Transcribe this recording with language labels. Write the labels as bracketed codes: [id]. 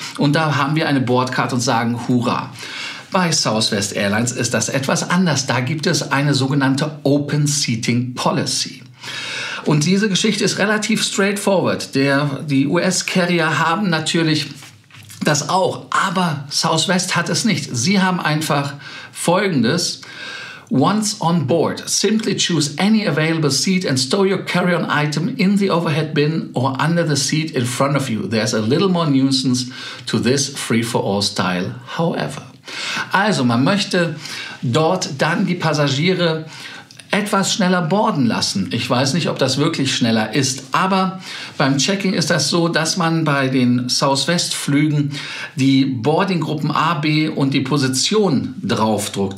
[de] Und da haben wir eine Boardcard und sagen Hurra. Bei Southwest Airlines ist das etwas anders. Da gibt es eine sogenannte Open Seating Policy. Und diese Geschichte ist relativ straightforward. Die US-Carrier haben natürlich das auch, aber Southwest hat es nicht. Sie haben einfach Folgendes. [en] Once on board, simply choose any available seat and stow your carry-on item in the overhead bin or under the seat in front of you. There's a little more nuisance to this free-for-all style, however. [de] Also, man möchte dort dann die Passagiere etwas schneller boarden lassen. Ich weiß nicht, ob das wirklich schneller ist, aber beim Checking ist das so, dass man bei den Southwest-Flügen die Boardinggruppen A, B und die Position draufdruckt.